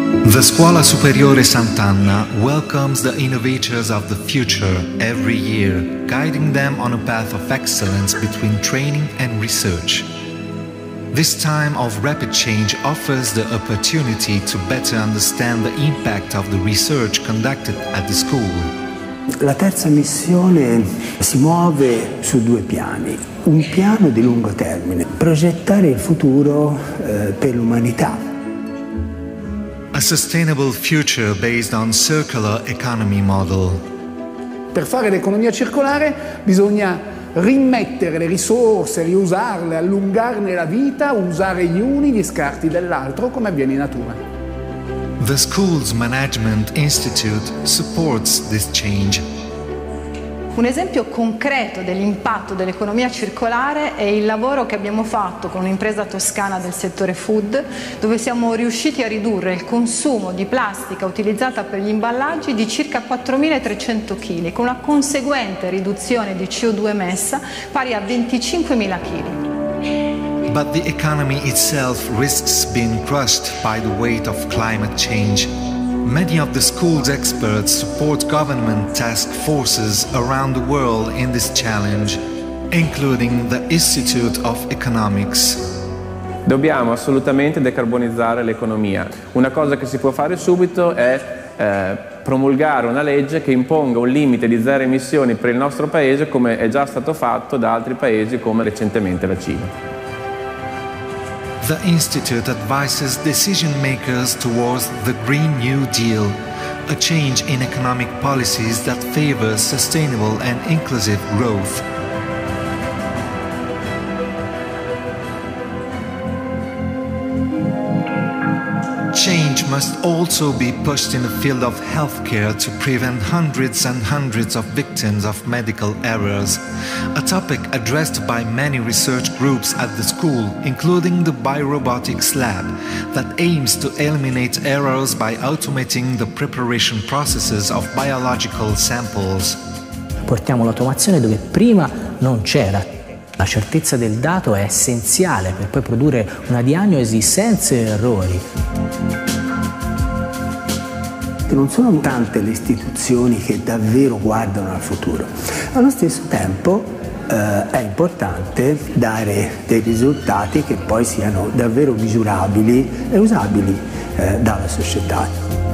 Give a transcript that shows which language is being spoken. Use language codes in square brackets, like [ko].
[en] The Scuola Superiore Sant'Anna welcomes the innovators of the future every year, guiding them on a path of excellence between training and research. This time of rapid change offers the opportunity to better understand the impact of the research conducted at the school. [it] La terza missione si muove su due piani. Un piano di lungo termine, progettare il futuro per l'umanità. [en] A sustainable future based on circular economy model. [it] Per fare l'economia circolare bisogna rimettere le risorse, riusarle, allungarne la vita, usare gli uni gli scarti dell'altro come avviene in natura. [en] The school's management institute supports this change. [it] Un esempio concreto dell'impatto dell'economia circolare è il lavoro che abbiamo fatto con un'impresa toscana del settore food, dove siamo riusciti a ridurre il consumo di plastica utilizzata per gli imballaggi di circa 4.300 kg, con una conseguente riduzione di CO2 emessa pari a 25.000 kg. [en] But the economy itself risks being crushed by the weight of climate change. Many of the school's experts support government task forces around the world in this challenge, including the Institute of Economics. [it] Dobbiamo assolutamente decarbonizzare l'economia. Una cosa che si può fare subito è promulgare una legge che imponga un limite di zero emissioni per il nostro paese, come è già stato fatto da altri paesi come recentemente la Cina. [en] The Institute advises decision makers towards the Green New Deal, a change in economic policies that favors sustainable and inclusive growth. Change must also be pushed in the field of healthcare to prevent hundreds and hundreds of victims of medical errors, a topic addressed by many research groups at the school, including the biorobotics lab that aims to eliminate errors by automating the preparation processes of biological samples. [it] Portiamo l'automazione dove prima non c'era. La certezza del dato è essenziale per poi produrre una diagnosi senza errori. Non sono tante le istituzioni che davvero guardano al futuro. Allo stesso tempo è importante dare dei risultati che poi siano davvero misurabili e usabili dalla società.